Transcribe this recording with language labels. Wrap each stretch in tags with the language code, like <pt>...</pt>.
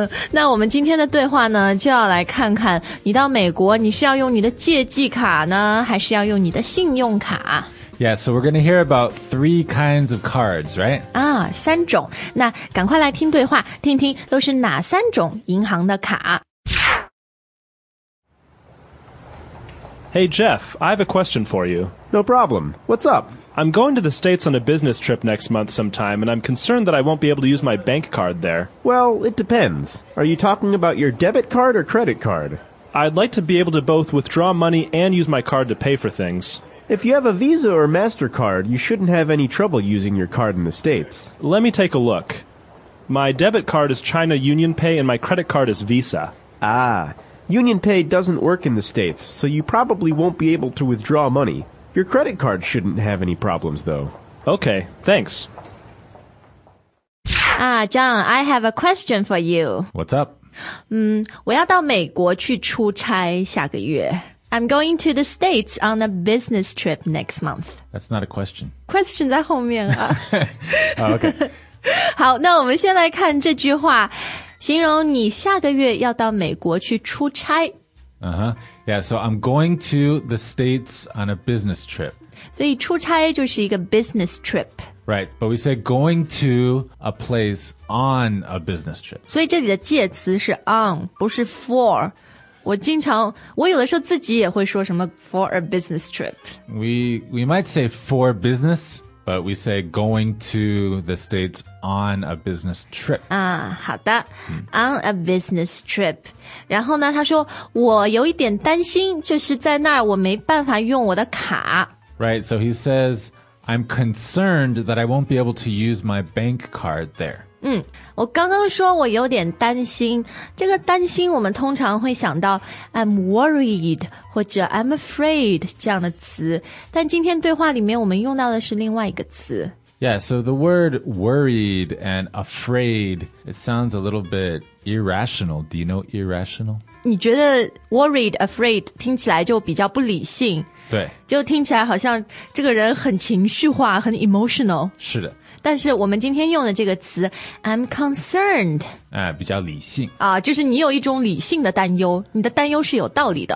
<zh>那我们今天的对话呢，就要来看看你到美国，你是要用你的借记卡呢，还是要用你的信用卡？</zh> <en>Yeah, so we're going to hear about three kinds of cards, right?</en> <zh>三种。那赶快来听对话，听听都是哪三种银行的卡。</zh> <en>Hey, Jeff, I have a question for you. No problem. What's up? I'm going to the States on a business trip next month sometime, and I'm concerned that I won't be able to use my bank card there. Well, it depends. Are you talking about your debit card or credit card? I'd like to be able to both withdraw money and use my card to pay for things. If you have a Visa or MasterCard, you shouldn't have any trouble using your card in the States. Let me take a look. My debit card is China UnionPay and my credit card is Visa. Ah, UnionPay doesn't work in the States, so you probably won't be able to withdraw money. Your credit card shouldn't have any problems, though. Okay, thanks. John, I have a question for you. What's up?</en> <zh>我要到美国去出差下个月。</zh> <en>I'm going to the States on a business trip next month. That's not a question.</en> <zh>Question 在后面啊。</zh> <en>Okay.</en> <zh>好，那我们先来看这句话，形容你下个月要到美国去出差。</zh> <en>Yeah, so I'm going to the States on a business trip.</en> <zh>所以出差就是一个</zh> <en>business trip. Right, but we say going to a place on a business trip.</en> <zh>所以这里的介词是 on, 不是 for. 我有的时候自己也会说什么</zh> <en>for a business trip. We might say for business, but we say going to the States on a business trip.</en> <zh>好的、</zh> <en>on a business trip.</en> <zh>然后呢，他说我有一点担心，就是在那儿我没办法用我的卡。</zh> <en>Right, so he says, I'm concerned that I won't be able to use my bank card there.</en> <zh>我刚刚说我有点担心，这个担心我们通常会想到</zh> <en>I'm worried</en> <zh>或者</zh> <en>I'm afraid</en> <zh>这样的词，但今天对话里面我们用到的是另外一个词。</zh> <en>Yeah, so the word worried and afraid, it sounds a little bit irrational. Do you know irrational?</en> <zh>你觉得 worried, afraid 听起来就比较不理性？对，就听起来好像这个人很情绪化，很 emotional。是的，但是我们今天用的这个词</zh> <en>I'm concerned、</en> <zh>比较理性、就是你有一种理性的担忧，你的担忧是有道理的。</zh>